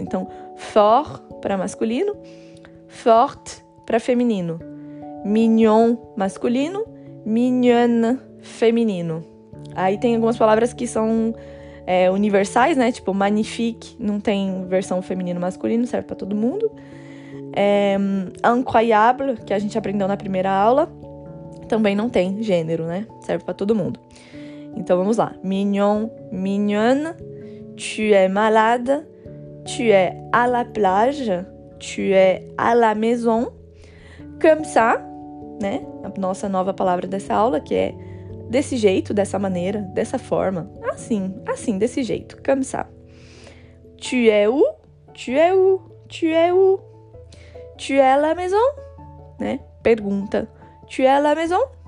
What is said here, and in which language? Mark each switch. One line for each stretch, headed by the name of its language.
Portuguese: Então, fort para masculino, forte para feminino, mignon masculino, mignonne feminino. Aí tem algumas palavras que são universais, né? Tipo, magnifique, não tem versão feminino masculino, serve para todo mundo. Incroyable, que a gente aprendeu na primeira aula, também não tem gênero, né? Serve para todo mundo. Então vamos lá.
French: Mignon, mignonne, tu es malade, tu es à la plage, tu es à la maison, comme ça,
Portuguese: né? A nossa nova palavra dessa aula, que é desse jeito, dessa maneira, dessa forma. Assim, assim, desse jeito.
French: Kamsa. Tu es où? Tu es où? Tu es où? Tu es à la maison?
Portuguese: Né? Pergunta.
French: Tu es à la maison?